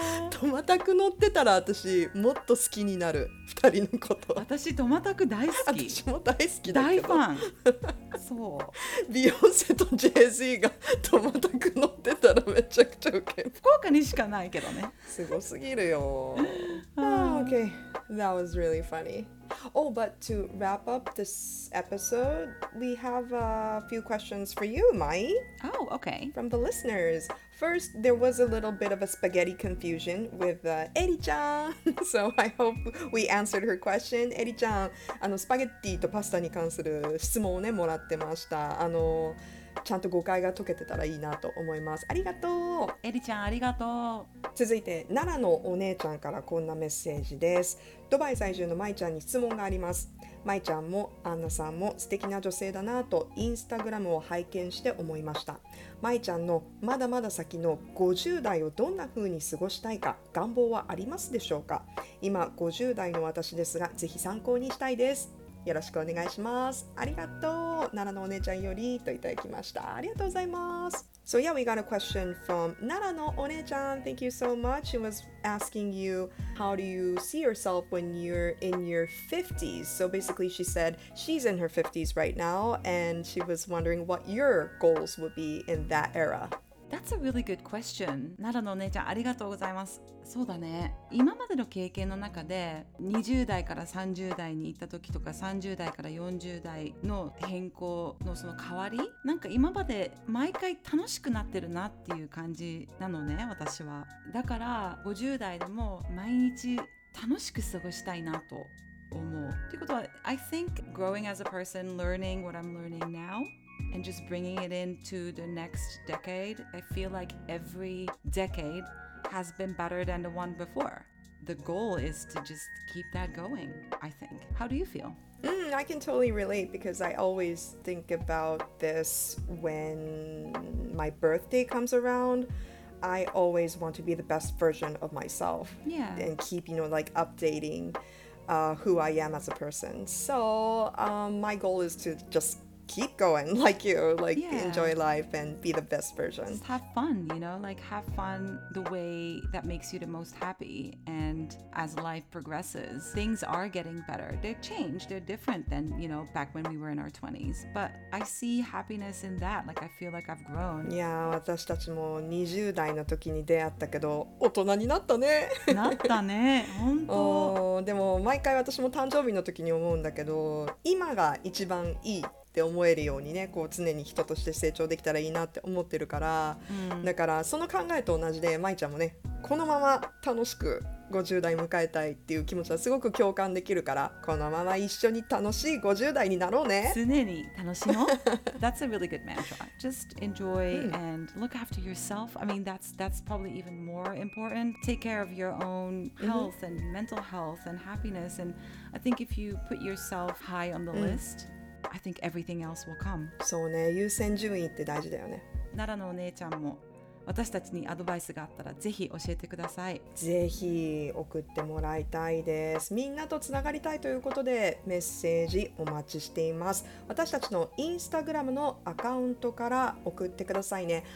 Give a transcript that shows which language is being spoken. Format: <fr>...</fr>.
<ja>トマタク乗ってたら私もっと好きになる、2人のこと。私トマタク大好き、私も大好きだけど、大ファン。そう、ビヨンセとジェイ・ゼーがトマタク乗ってたらめちゃくちゃウケる。福岡にしかないけどね、すごすぎるよ。</ja> <en>Oh, okay, that was really funny. Oh, but to wrap up this episode, we have a few questions for you, Mai. Oh, okay. From the listeners. First, there was a little bit of a spaghetti confusion with Eri-chan. So I hope we answered her question.</en> <ja>Eri-chan, あのスパゲッティとパスタに関する質問をね、もらってました。あの、ちゃんと誤解が解けてたらいいなと思います。ありがとう、エリちゃん、ありがとう。続いて奈良のお姉ちゃんからこんなメッセージです。ドバイ在住のマイちゃんに質問があります。マイちゃんもアンナさんも素敵な女性だなとインスタグラムを拝見して思いました。マイちゃんのまだまだ先の50代をどんな風に過ごしたいか、願望はありますでしょうか。今50代の私ですが、ぜひ参考にしたいです。よろしくお願いします。ありがとう。奈良のお姉ちゃんよりといただきました。ありがとうございます。</ja> <en>So yeah, we got a question from 奈良のお姉ちゃん。 Thank you so much. She was asking you, how do you see yourself when you're in your 50s? So basically she said she's in her 50s right now, and she was wondering what your goals would be in that era. That's a really good question.</en> <ja>なるほど、姉ちゃん、ありがとうございます。そうだね。今までの経験の中で、20代から30代に行った時とか、30代から40代の変更のその変わり、なんか今まで毎回楽しくなってるなっていう感じなのね、私は。だから50代でも毎日楽しく過ごしたいなと思う。っていうことは、</ja> <en>I think growing as a person, learning what I'm learning now,And just bringing it into the next decade, I feel like every decade has been better than the one before. The goal is to just keep that going, I think. How do you feel? I can totally relate because I always think about this when my birthday comes around. I always want to be the best version of myself. Yeah. And keep, you know, like updating who I am as a person. So my goal is to justKeep going like you, like、yeah. enjoy life and be the best version. Just have fun, you know, like have fun the way that makes you the most happy. And as life progresses, things are getting better. They've changed. They're different than, you know, back when we were in our 20s. But I see happiness in that. Like, I feel like I've grown.</en> <ja>Yeah, 私たちも20代の時に出会ったけど、大人になったね。なったね。本当。でも毎回私も誕生日の時に思うんだけど、今が一番いい。って思えるようにね、こう常に人として成長できたらいいなって思ってるから、うん、だからその考えと同じで、まいちゃんもね、このまま楽しく50代迎えたいっていう気持ちはすごく共感できるから、このまま一緒に楽しい50代になろうね。常に楽しもう。</ja> <en>That's a really good mantra. Just enjoy and look after yourself. I mean, that's probably even more important. Take care of your own health and mental health and happiness. And I think if you put yourself high on the list,I think everything else will come.</en> <ja>そうね、優先順位って大事だよね。奈良のお姉ちゃんも私たちにアドバイスがあったらぜひ教えてください。ぜひ送ってもらいたいです。みんなとつながりたいということでメッセージお待ちしています。私たちのインスタグラムのアカウントから送ってくださいね。</ja>